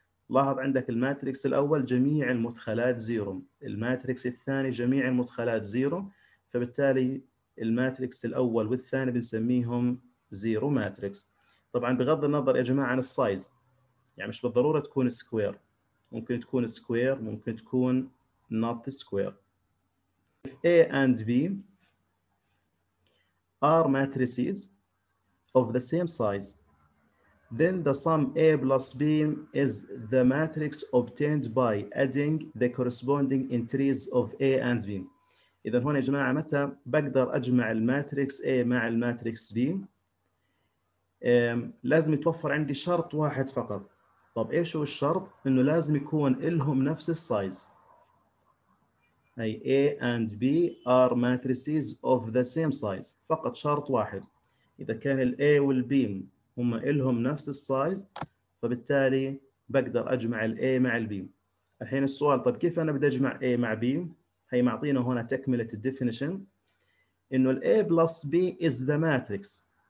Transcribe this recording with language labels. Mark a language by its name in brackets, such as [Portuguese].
[Arabic] لاحظ عندك الماتريكس الأول جميع المدخلات زيرو، الماتريكس الثاني جميع المدخلات زيرو، فبالتالي الماتريكس الأول والثاني بنسميهم زيرو ماتريكس. طبعاً بغض النظر يا جماعة عن السايز، يعني مش بالضرورة تكون سكوير، ممكن تكون سكوير، ممكن تكون نوت سكوير. [English] If A and B are matrices of the same size, then the sum A plus B is the matrix obtained by adding the corresponding entries of A and B. [Arabic] إذن هنا يا جماعة متى بقدر أجمع الماتريكس A مع الماتريكس B؟ لازم يتوفر عندي شرط واحد فقط. طب إيش هو الشرط؟ إنه لازم يكون إلهم نفس السايز. [English] أي A and B are matrices of the same size. [Arabic] فقط شرط واحد. إذا كان الـ A والـ B هم إلهم نفس السايز، فبالتالي بقدر أجمع الـ A مع الـ B. الحين السؤال، طب كيف أنا بدي أجمع A مع B؟ هي معطينا هنا تكملة الـ definition، إنه الـ [English] A plus B is the matrix.